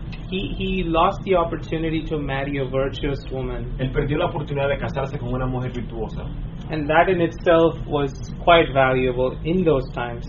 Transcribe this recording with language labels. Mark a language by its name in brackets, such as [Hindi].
[English] he lost the opportunity to marry a virtuous woman. [Spanish] Él perdió la oportunidad de casarse con una mujer virtuosa. [English] And that in itself was quite valuable in those times.